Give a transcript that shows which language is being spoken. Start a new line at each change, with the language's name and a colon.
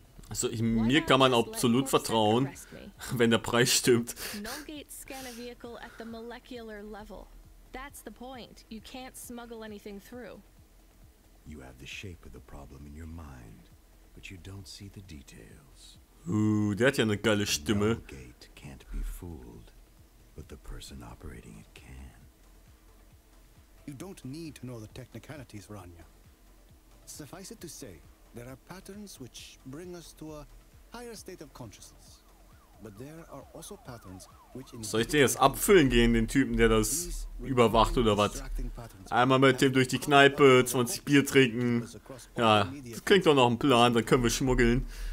German: Also ich, mir kann man absolut vertrauen, wenn der Preis stimmt.
English: Null gate scan a vehicle at the molecular level. That's the point. You can't smuggle anything through. You have the shape of the problem in your mind, but you don't see the details.
German: Der hat ja eine geile Stimme.
English: Null gate can't be fooled, but the person operating it can. You don't need to know the technicalities, Rania. Suffice it to say, there are patterns which bring us to a higher state of consciousness. But there are also patterns which in.
German: Soll ich den jetzt abfüllen gehen, den Typen, der das überwacht oder was? Einmal mit dem durch die Kneipe, 20 Bier trinken. Ja, das klingt doch noch ein Plan, dann können wir schmuggeln.